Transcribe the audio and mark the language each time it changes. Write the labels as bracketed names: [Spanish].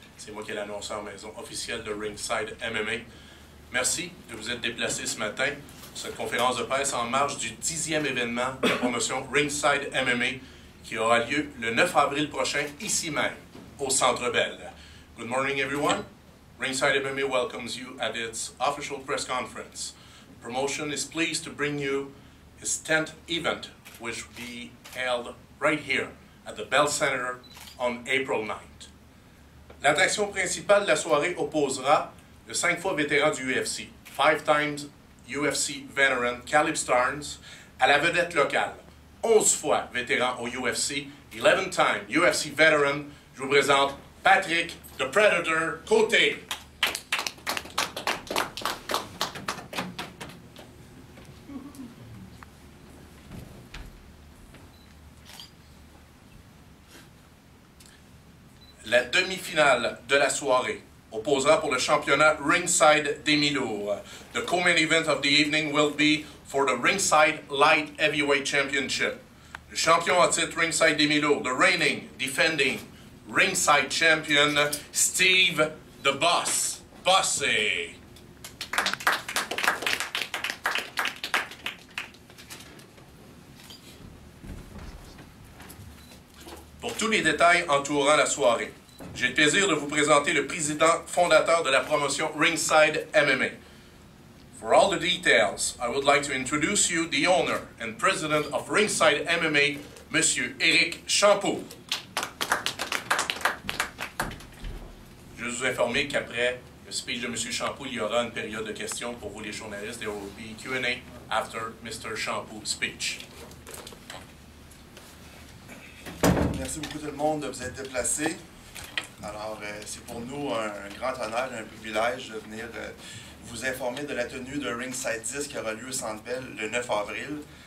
[French] C'est moi qui ai l'annonceur maison officielle de Ringside MMA. Merci de vous être déplacé ce matin pour cette conférence de presse en marge du 10e événement de la promotion Ringside MMA qui aura lieu le 9 avril prochain, ici même, au Centre Bell. [English] Good morning, everyone. Ringside MMA welcomes you at its official press conference. The promotion is pleased to bring you its 10th event, which will be held right here at the Bell Center on April 9th. [French] L'attraction principale de la soirée opposera le 5 fois vétéran du UFC, [English] 5 times UFC veteran Caleb Starnes, [French] à la vedette locale, 11 fois vétéran au UFC, [English] 11 times UFC veteran, [French] je vous présente Patrick the Predator Côté. La demi-finale de la soirée opposera pour le championnat Ringside des Milours. [English] The co-main event of the evening will be for the Ringside Light Heavyweight Championship. [French] Le champion en titre Ringside des Milours, [English] the reigning, defending Ringside champion, [French] Steve the Boss Bossé. Pour tous les détails entourant la soirée, j'ai le plaisir de vous présenter le président fondateur de la promotion Ringside MMA. [English] For all the details, I would like to introduce you the owner and president of Ringside MMA, Monsieur Éric Champeau. [French] Je vous informe qu'après le speech de Monsieur Champeau, il y aura une période de questions pour vous les journalistes. [English] There will be Q&A after Mr. Champeau's speech. [French] Merci beaucoup tout le monde de vous être déplacé. Alors, c'est pour nous un grand honneur, un privilège de venir vous informer de la tenue de Ringside 10 qui aura lieu au Centre Bell le 9 avril.